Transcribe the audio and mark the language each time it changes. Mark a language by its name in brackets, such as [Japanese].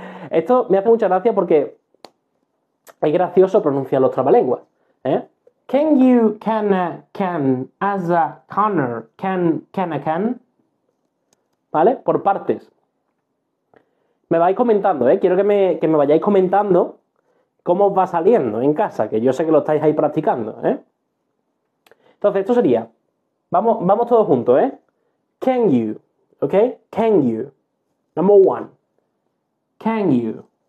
[Spanish] Esto me hace mucha gracia porque es gracioso pronunciar los trabalenguas. ¿Eh? [English] Can you can as a corner can a can? [Spanish] ¿Vale? Por partes. Me vais comentando, ¿eh? Quiero que me vayáis comentando cómo os va saliendo en casa, que yo sé que lo estáis ahí practicando, ¿eh? Entonces, esto sería. Vamos todos juntos, ¿eh? Can you, ¿ok? Can you. [English] Number one. Can you.